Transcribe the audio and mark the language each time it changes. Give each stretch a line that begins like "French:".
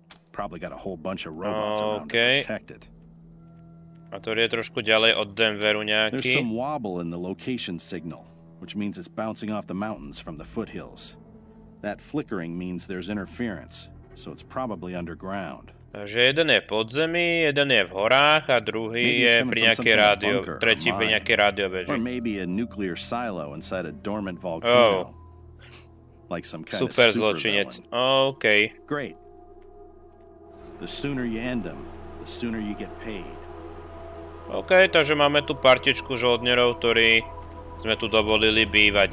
English: Probably got a whole bunch of robots around to protect it.
Slovak: A to je trošku ďalej od Denveru nejaký.
English: There's some wobble in the location signal, which means it's bouncing off the mountains from the foothills. That flickering means there's interference. So it's probably underground.
Slovak: Takže jeden je pod zemi, jeden je v horách a druhý je pri nejakej rádio, tretí pri nejakej rádiobeži.
English: Or maybe a nuclear silo inside a dormant volcano. Oh. Like some kind
Slovak: super zločinec. Okay.
English: Great. The sooner you end them, the sooner you get paid.
Slovak: Okay, takže máme tu partičku žoldnierov, ktorí sme tu dovolili bývať.